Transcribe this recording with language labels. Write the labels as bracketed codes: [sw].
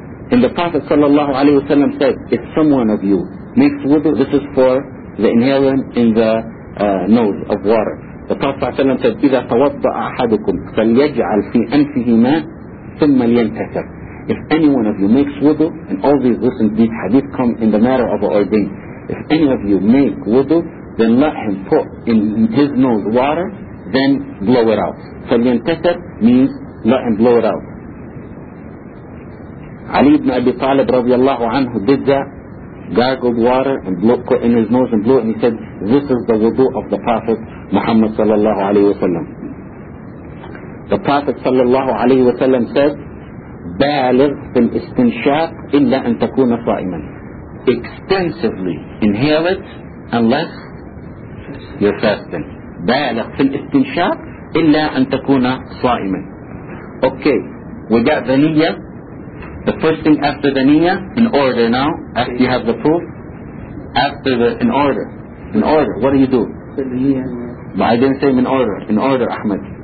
[en] And the Prophet sallallahu alaihi wasallam said, if someone of you makes wudu, this is for the inhalant in the nose of water. The Prophet ﷺ said, [ar] إِذَا تَوَضَّأَ أَحَدُكُمْ فَلْيَجْعَلْ فِي أَنْفِهِ مَا ثُمَّ لِيَنْتَسَرْ. [en] If any one of you makes wudu, and all these listen, these hadith come in the matter of ordain. If any of you make wudu, then let him put in his nose water, then blow it out. فَلْيَنْتَسَرْ means let him blow it out. Ali ibn Abi Talib radiallahu anhu did that. Gargled water and blew in his nose and blew it, and he said, this is the wudu of the Prophet Muhammad sallallahu alayhi wa sallam. The Prophet sallallahu alayhi wa sallam said, [ar] بالغ في الاستنشاق إلا أن تكون صائما. [en] Extensively inhale it unless you're fasting. [ar] بالغ في الاستنشاق إلا أن تكون صائما. [en] Okay, we got the niyyah. The first thing after the niyyah, in order now, after you have the proof, after the, in order, what do you do? The niyyah. But I didn't say in order, Ahmed.